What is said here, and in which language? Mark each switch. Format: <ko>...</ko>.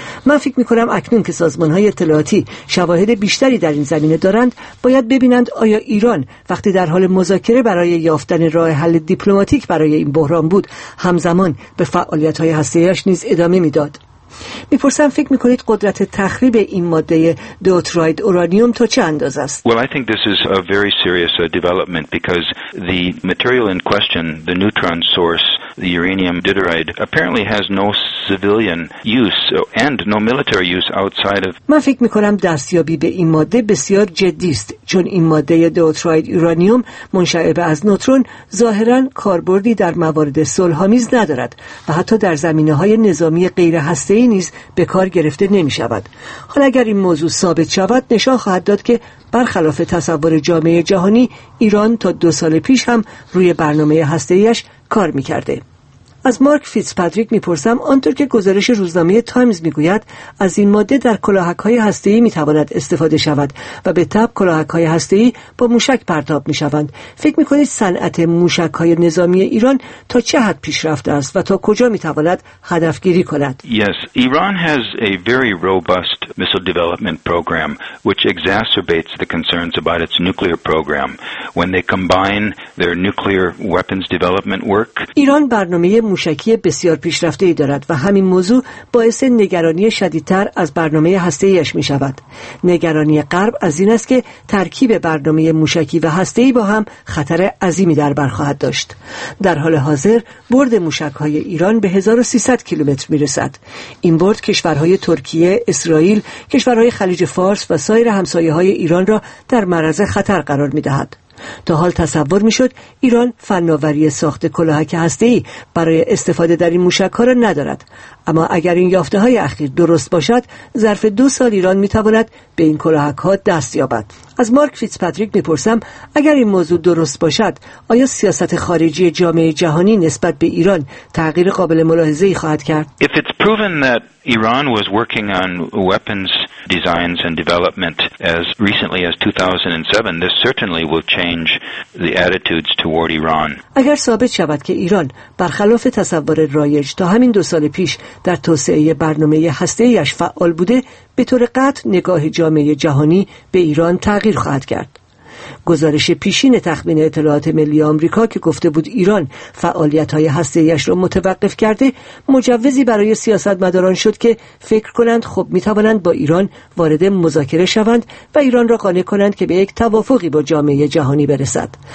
<fa>من فکر می‌کنم اکنون که سازمان‌های اطلاعاتی شواهد بیشتری در این زمینه دارند، باید ببینند آیا ایران وقتی در حال مذاکره برای یافتن راه حل دیپلماتیک برای این بحران بود، همزمان به فعالیت‌های هسته‌ای‌اش نیز ادامه می‌داد. می‌پرسم فکر می‌کنید قدرت تخریب این ماده دوتراید اورانیوم تا چه اندازه است؟</fa> <en>Well, I think this is a very serious development because the material in question, the neutron source, the uranium deuteride, apparently has no civilian use and no military use outside of.</en> <fa>من فکر می‌کنم دستیابی به این ماده بسیار جدی است، چون این ماده دوتراید اورانیوم منشعب از نوترون ظاهراً کاربردی در موارد صلح‌آمیز ندارد و حتی در زمینه‌های نظامی غیر هسته‌ای نیز به کار گرفته نمی‌شود. حالا اگر این موضوع ثابت شود، نشان خواهد داد که برخلاف تصور جامعه جهانی، ایران تا 2 سال پیش هم روی برنامه هسته‌ایش کار می‌کرده. از مارک فیتزپاتریک می‌پرسم آنطور که گزارش روزنامه تایمز می‌گوید از این ماده در کلاهک‌های هسته‌ای می‌تواند استفاده شود و به تبع کلاهک‌های هسته‌ای با موشک پرتاب می‌شوند. فکر می‌کنید صنعت موشک‌های نظامی ایران تا چه حد پیشرفته است و تا کجا می‌تواند هدفگیری کند؟</fa> <en>Yes, Iran has a very robust missile development program which exacerbates the concerns about its nuclear program when they combine their nuclear weapons development work.</en> <fa>ایران برنامه موشکی بسیار پیشرفته‌ای دارد و همین موضوع باعث نگرانی شدیدتر از برنامه هسته‌ایش می‌شود. نگرانی غرب از این است که ترکیب برنامه موشکی و هسته‌ای با هم خطر عظیمی در بر خواهد داشت. در حال حاضر برد موشک‌های ایران به 1300 کیلومتر می‌رسد. این برد کشورهای ترکیه، اسرائیل، کشورهای خلیج فارس و سایر همسایه‌های ایران را در معرض خطر قرار می‌دهد. تا حال تصور میشد ایران فناوری ساخت کلاهک هسته‌ای برای استفاده در این موشک‌ها را ندارد، اما اگر این یافته‌های اخیر درست باشد، ظرف 2 سال ایران می‌تواند به این کلاهک‌ها دست یابد. از مارک فیتزپاتریک می‌پرسم اگر این موضوع درست باشد، آیا سیاست خارجی جامعه جهانی نسبت به ایران تغییر قابل ملاحظه‌ای خواهد کرد؟</fa> <en>If it's proven that Iran was working on weapons designs and development as recently as 2007, this certainly will change the attitudes toward Iran.</en> <fa>اگر ثابت شود که ایران برخلاف تصور رایج تا همین 2 سال پیش در توسعه برنامه هسته‌ایش فعال بوده، به طور قطع نگاه جامعه جهانی به ایران تغییر خواهد کرد. گزارش پیشین تخمین اطلاعات ملی آمریکا که گفته بود ایران فعالیت‌های هسته‌ایش را متوقف کرده، مجوزی برای سیاستمداران شد که فکر کنند خب می‌توانند با ایران وارد مذاکره شوند و ایران را قانع کنند که به یک توافقی با جامعه جهانی برسد.</fa>